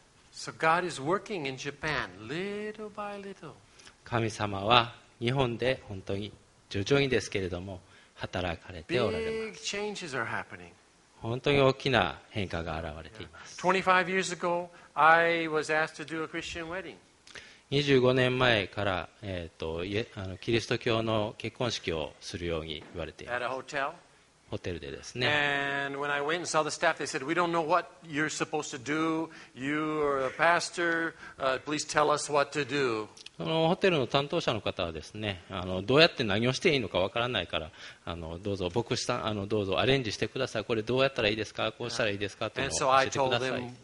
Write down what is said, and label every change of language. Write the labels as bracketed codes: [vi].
[en] So God is working in Japan, little by little. [ja] 神様は日本で本当に徐々にですけれども働かれておられます。 [en] Big changes are happening. [ja] 本当に大きな変化が現れています。 [en] 25 years ago, I was asked to do a Christian wedding. [ja] 25年前から、キリスト教の結婚式をするように言われています。 [en] At a hotel. [ja] ホテルでですね。 [en] And when I went and saw the staff, they said, "We don't know what you're supposed to do. You are a pastor. Please tell us what to do." [ja] そのホテルの担当者の方はですね、どうやって何をしていいのかわからないから、どうぞ牧師さん、どうぞアレンジしてください。これどうやったらいいですか、こうしたらいいですかというのを教えてください。